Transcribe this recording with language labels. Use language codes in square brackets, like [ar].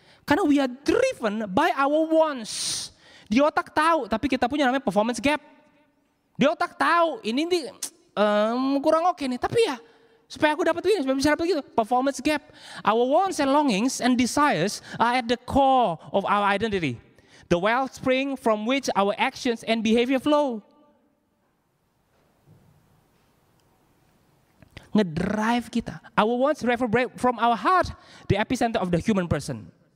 [id] Karena [en] we are driven by our wants. [id] Di otak tahu, tapi kita punya namanya performance gap. Di otak tahu, ini nih kurang oke nih. Tapi ya, supaya aku dapat ini, supaya bisa dapat gitu. Performance gap. [en] Our wants and longings and desires are at the core of our identity. The wellspring from which our actions and behavior flow. [id] Ngedrive kita. [en] Our wants reverberate from our heart, the epicenter of the human person.